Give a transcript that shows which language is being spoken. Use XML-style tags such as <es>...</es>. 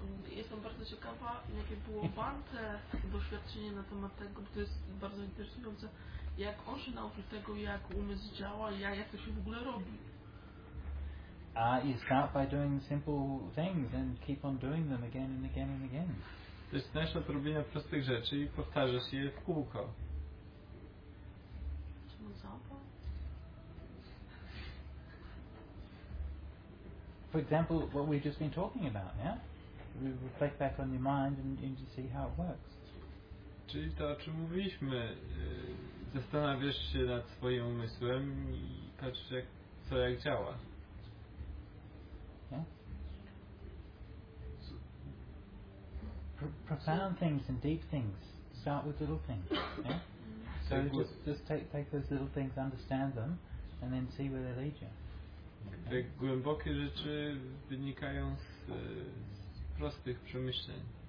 <pl>Jestem bardzo ciekawa, jakie było Bante doświadczenie na temat tego, bo to jest bardzo interesujące, jak on się nauczył tego, jak umysł działa i jak to się w ogóle robi.</pl> <en>You start by doing simple things and keep on doing them again and again and again.</en> <pl>Zaczynasz od robienia prostych rzeczy i powtarzasz je w kółko.</pl> <en>For example, what we've just been talking about, yeah? We reflect back on your mind and you see how it works.</en> <pl>Czyli to, o czym mówiliśmy, zastanawiasz się nad swoim umysłem i patrzysz, jak działa.</pl> <en>Yeah? So, profound things and deep things start with little things. Yeah? So just take those little things, understand them, and then see where they lead you. Okay.</en> <pl>Te głębokie rzeczy wynikają z prostych przemyśleń.</pl>